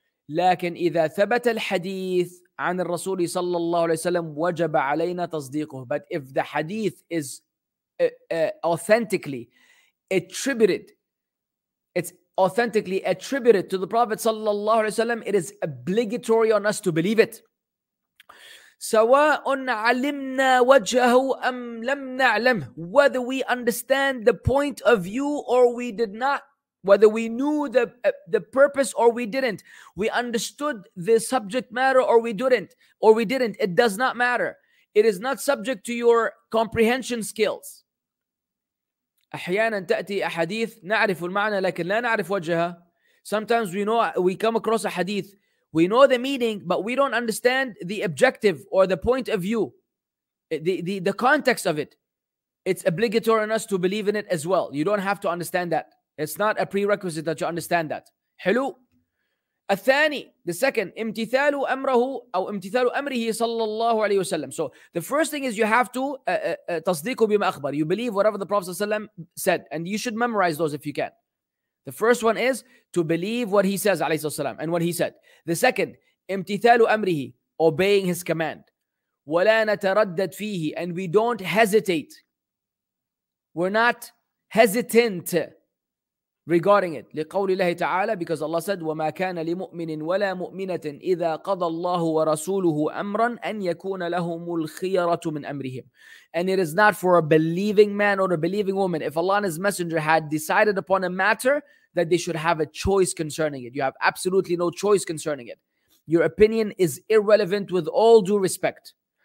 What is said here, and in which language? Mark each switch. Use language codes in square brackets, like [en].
[ar] لكن إذا ثبت الحديث عن الرسول صلى الله عليه وسلم وجب علينا تصديقه. [en] But if the hadith is authentically attributed, it's authentically attributed to the Prophet sallallahu alaihi wasallam, it is obligatory on us to believe it. [ar] سواء علمنا وجهه أم لم نعلم, [en] whether we understand the point of view or we did not, whether we knew the purpose or we didn't, we understood the subject matter or we didn't, it does not matter. It is not subject to your comprehension skills. [ar] أحياناً تأتي أحاديث نعرف المعنى لكن لا نعرف وجهها. [en] Sometimes we come across a hadith, we know the meaning, but we don't understand the objective or the point of view, the context of it. It's obligatory on us to believe in it as well. You don't have to understand that. It's not a prerequisite that you understand that. [ar] حلو. الثاني, [en] the second, [ar] امتثال أمره أو امتثال أمره صلى الله عليه وسلم. [en] So the first thing is you have to [ar] تصديقه بما أخبر. [en] You believe whatever the Prophet ﷺ said, and you should memorize those if you can. The first one is to believe what he says [ar] عليه الصلاة والسلام [en] and what he said. The second, [ar] امتثال أمره, [en] obeying his command. [ar] ولا نتردد فيه, [en] and we don't hesitate. We're not hesitant regarding it. [ar] لقول الله تعالى, [en] because Allah said, [ar] وما كان لمؤمن ولا مؤمنة إذا قضى الله ورسوله أمرا أن يكون لهم الخيرة من أمرهم. [en] And it is not for a believing man or a believing woman. If Allah and His Messenger had decided upon a matter, that they should have a choice concerning it. You have absolutely no choice concerning it. Your opinion is irrelevant with all due respect.